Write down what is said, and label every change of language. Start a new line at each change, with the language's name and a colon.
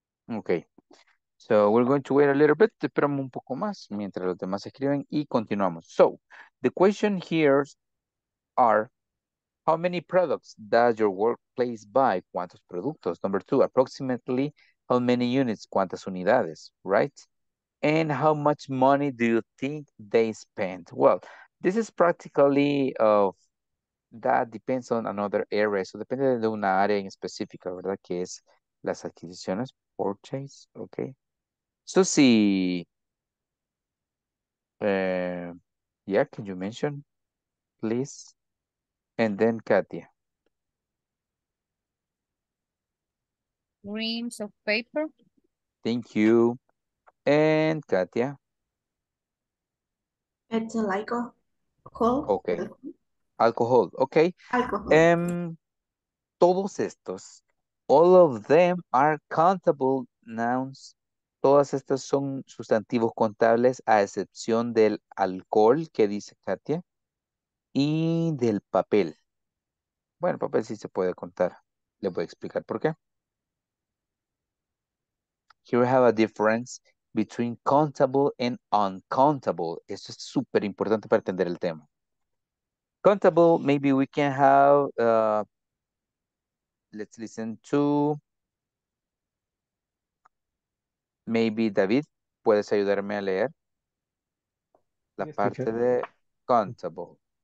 English: Okay, so we're going to wait a little bit.
Spanish: Esperamos un poco más mientras los demás escriben y continuamos.
English: So, the question here are, how many products does your workplace buy?
Spanish: ¿Cuántos productos?
English: Number two, approximately how many units?
Spanish: ¿Cuántas unidades?
English: Right? And how much money do you think they spend? Well, this is practically of, that depends on another area.
Spanish: So, depende de una área en específica, ¿verdad? Que es las adquisiciones.
English: Purchase, okay. Susie, yeah, can you mention, please? And then Katia. Reams of paper. Thank you. And Katia. It's an alcohol. Okay. Alcohol, okay. Alcohol.
Spanish: Todos estos.
English: All of them are countable nouns.
Spanish: Todas estas son sustantivos contables, a excepción del alcohol, que dice Katia, y del papel. Bueno, papel sí se puede contar. Le voy a explicar por qué.
English: Here we have a difference between countable and uncountable.
Spanish: Esto es súper importante para entender el tema.
English: Countable, maybe we can have... let's listen to maybe David.
Spanish: ¿Puedes ayudarme a leer la parte de countable?